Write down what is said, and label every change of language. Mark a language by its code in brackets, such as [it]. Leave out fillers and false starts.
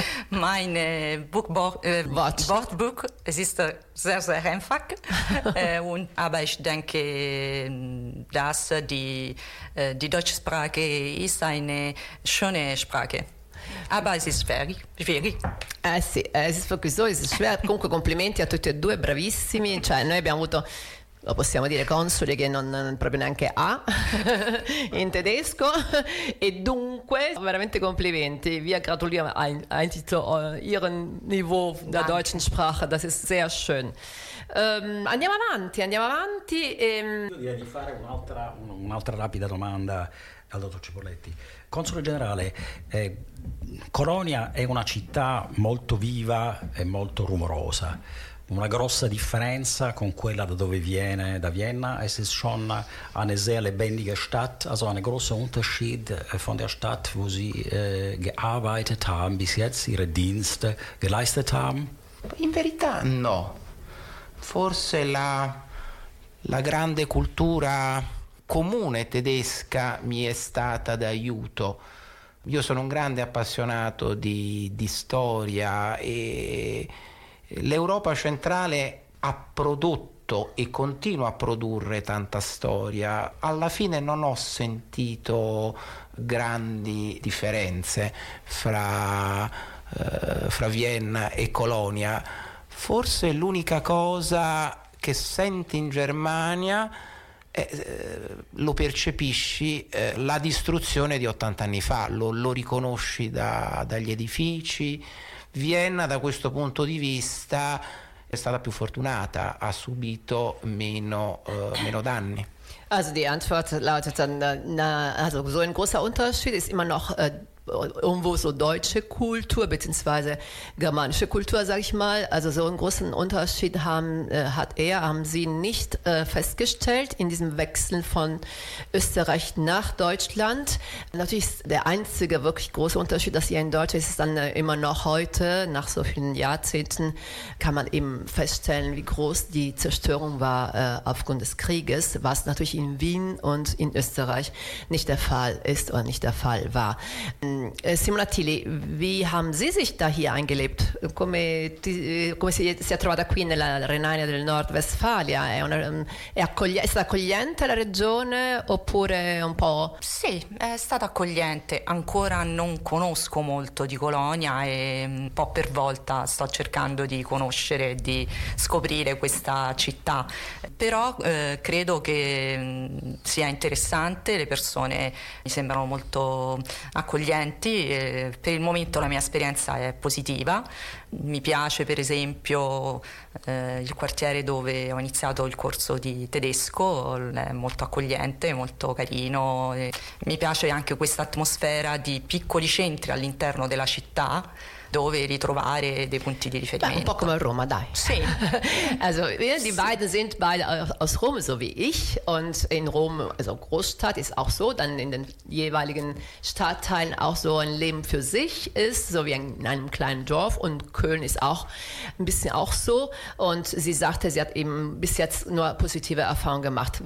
[de] Mein Wortbuch, es ist sehr, sehr einfach. Aber ich denke, dass die deutsche Sprache ist eine schöne Sprache. Aber es ist schwierig. Sì, es ist wirklich so, es ist schwer. [it] Comunque complimenti a tutti e due, bravissimi. Cioè, noi abbiamo avuto, lo possiamo dire, consoli che non proprio neanche A in tedesco. E dunque, veramente complimenti. [de] Wir gratulieren eigentlich zu Ihrem Niveau der deutschen Sprache. Das ist sehr schön. [it] Andiamo avanti. Io direi di fare un'altra rapida domanda al dottor Cipolletti. Console generale, Colonia è una città molto viva e molto rumorosa. Una grossa differenza con quella da dove viene, da Vienna. [de] Es ist schon eine sehr lebendige Stadt, also ein großer Unterschied von der Stadt, wo Sie gearbeitet haben, bis jetzt Ihre Dienste geleistet haben? [it] In verità no. Forse la grande cultura comune tedesca mi è stata d'aiuto. Io sono un grande appassionato di storia e l'Europa centrale ha prodotto e continua a produrre tanta storia. Alla fine non ho sentito grandi differenze fra Vienna e Colonia. Forse l'unica cosa che senti in Germania lo percepisci la distruzione di 80 anni fa, lo riconosci dagli edifici. Vienna, da questo punto di vista, è stata più fortunata, ha subito meno danni. [de] Also die Antwort lautet dann, also so ein großer Unterschied ist immer noch irgendwo so deutsche Kultur bzw. germanische Kultur, sage ich mal. Also so einen großen Unterschied haben Sie nicht festgestellt in diesem Wechsel von Österreich nach Deutschland. Natürlich ist der einzige wirklich große Unterschied, dass hier in Deutschland ist dann immer noch heute, nach so vielen Jahrzehnten, kann man eben feststellen, wie groß die Zerstörung war aufgrund des Krieges, was natürlich in Wien und in Österreich nicht der Fall ist oder nicht der Fall war. Simona Tilli, wie haben Sie sich da hier eingelebt? [it] Come si è trovata qui nella Renania del Nord-Westfalia? È stata accogliente la regione oppure un po'? Sì, è stata accogliente. Ancora non conosco molto di Colonia e un po' per volta sto cercando di conoscere e di scoprire questa città. Però credo che sia interessante, le persone mi sembrano molto accoglienti. Per il momento la mia esperienza è positiva. Mi piace per esempio il quartiere dove ho iniziato il corso di tedesco, è molto accogliente, molto carino. Mi piace anche questa atmosfera di piccoli centri all'interno della città dove ritrovare dei punti di riferimento. Un po' come a Roma, dai. Sì. [de] Also, die beiden sind beide aus Rom, so wie ich. Und in Rom, also Großstadt ist auch so, dann in den jeweiligen Stadtteilen auch so ein Leben für sich ist, so wie in einem kleinen Dorf. Und Köln ist auch ein bisschen auch so. Und sie sagte, sie hat eben bis jetzt nur positive Erfahrungen gemacht.